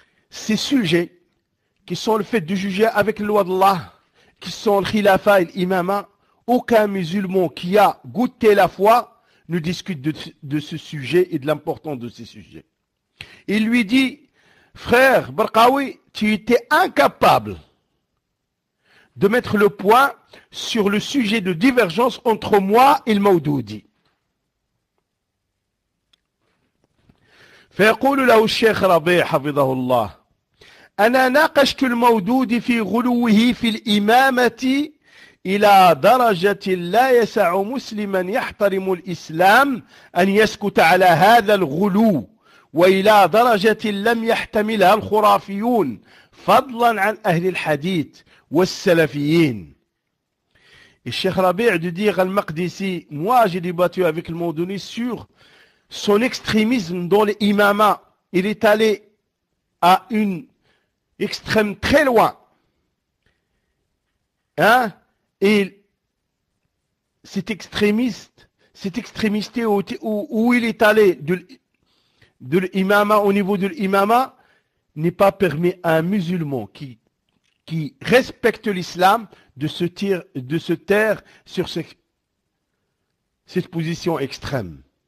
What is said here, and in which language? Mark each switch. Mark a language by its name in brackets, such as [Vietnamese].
[French] ces sujets qui sont le fait de juger avec la loi d'Allah qui sont le khilafa et l'imama aucun musulman qui a goûté la foi ne discute de ce sujet et de l'importance de ces sujets. Il lui dit, frère Barqawi, tu étais incapable de mettre le point sur le sujet de divergence entre moi et le Maududi. [Arabic] فيقول له الشيخ ربيع حفظه الله أنا ناقشت المودود في غلوه في الإمامة إلى درجة لا يسع مسلما يحترم الإسلام أن يسكت على هذا الغلو وإلى درجة لم يحتملها الخرافيون فضلا عن أهل الحديث والسلفيين. [French] الشيخ ربيع de dire al Maqdisi, moi j'ai débattu avec le Maududi sur son extrémisme dans l'imama. Il est allé à une extrême très loin. Hein? Et cette extrémité où il est allé de l'imama au niveau de l'imama n'est pas permis à un musulman qui respecte l'islam de se taire sur cette position extrême.